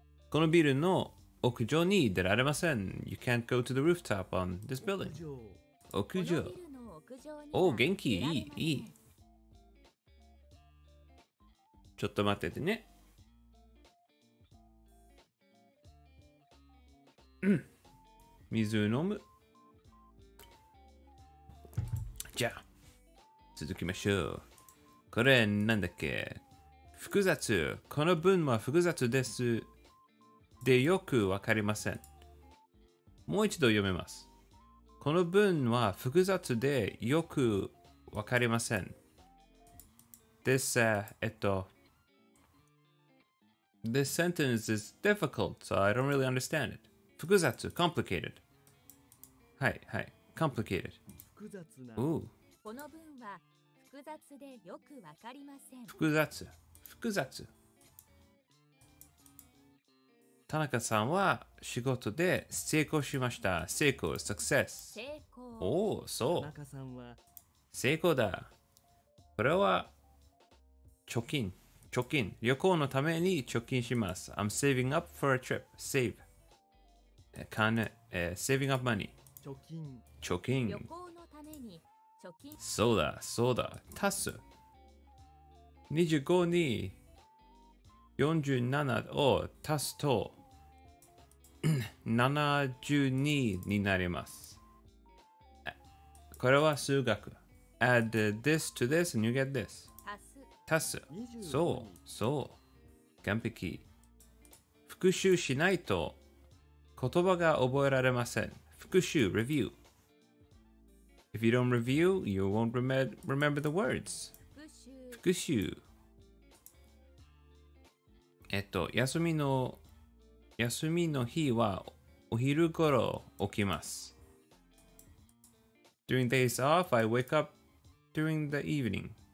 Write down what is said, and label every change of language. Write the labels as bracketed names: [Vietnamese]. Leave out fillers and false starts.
[Japanese] このビルの屋上に出られません。 [English] You can't go to the rooftop on this building. [Japanese] 屋上。おお、元気、いい。ちょっと待っててね。水を飲む。じゃあ、続きましょう。これなんだっけ？複雑。この文は複雑です。で、よくわかりません。もう一度読めます。この文は複雑でよくわかりません。です、 [English] This sentence is difficult, so I don't really understand it. [Japanese] 複雑, complicated. はい、はい、complicated. 複雑な。 Ooh. この文は複雑でよくわかりません。複雑、複雑。田中さんは仕事で成功しました。成功、success. 成功。おお、そう。田中さんは成功だ。これは貯金。貯金、旅行のために貯金します。 [English] I'm saving up for a trip. Save. 金、saving up money. [Japanese] 貯金。貯金。旅行のために貯金。そうだ、そうだ。足す。 25に47を足すと72になります。これは数学。 [English] Add this to this and you get this. [Japanese] 足す。そう、そう。完璧。復習しないと言葉が覚えられません。復習、review。 [English] If you don't review, you won't remember the words. [Japanese] 復習。復習。休みの日はお昼頃起きます。 [English] During days off, I wake up during the evening.